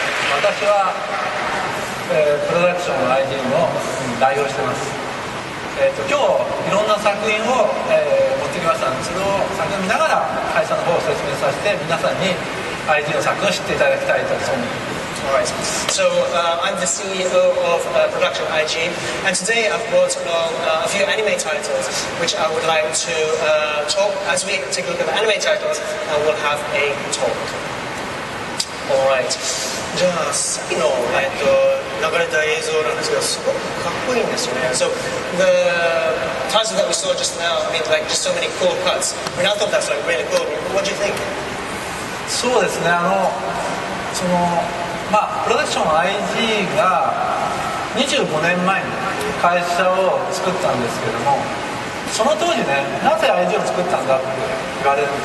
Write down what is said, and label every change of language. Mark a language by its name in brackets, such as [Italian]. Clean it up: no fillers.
[Japanese] 私は、プロダクションの IG の代表してます、今日いろんな作品を、持ってきました。その作品を見ながら会社の方を説明させて皆さんに IG の作品を知っていただきたいと思います。 [English] Alright, so I'm the CEO of Production IG, and today I've brought along a few anime titles which I would like to talk. As we take a look at the anime titles, we'll have a talk. Alright. [Japanese] じゃあ、さっきの、流れた映像なんですけど、すごくかっこいいんですよね。 [English] So, the title that we saw just now, I mean, like, just so many cool cuts. I mean, I thought that's, like, really cool. What do you think? [Japanese] そうですね、プロダクション IG が25年前に会社を作ったんですけども、その当時ね、なぜ IG を作ったんだって言われる。